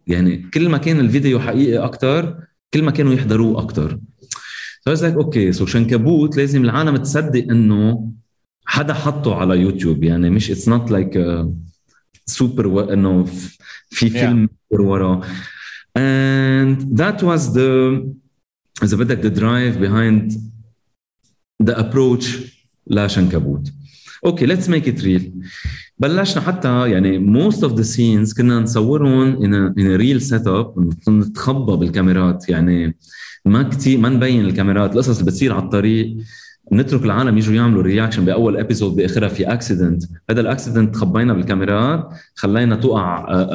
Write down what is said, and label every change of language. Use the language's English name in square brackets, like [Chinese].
[Arabic] يعني كل ما كان الفيديو حقيقي أكتر كل ما كانوا يحضروه أكتر. [English] So I was like, okay, so [Arabic] Shankaboot, لازم العالم تصدق أنه حدا حطه على يوتيوب. يعني مش, [English] it's not like a super, [Arabic] أنه في فيلم وراء. [English] And that was the drive behind the approach لا Shankaboot. Okay, let's make it real. [Arabic] بلشنا حتى يعني [English] most of the scenes [Arabic] كنا نصورهم [English] in a real setup [Arabic] نتخبى بالكاميرات يعني ما كتير ما نبين الكاميرات القصص اللي بتصير على الطريق نترك العالم يجوا يعملوا رياكشن بأول episode بآخرها في accident هذا الأكسيدنت خبينا بالكاميرات خلينا تقع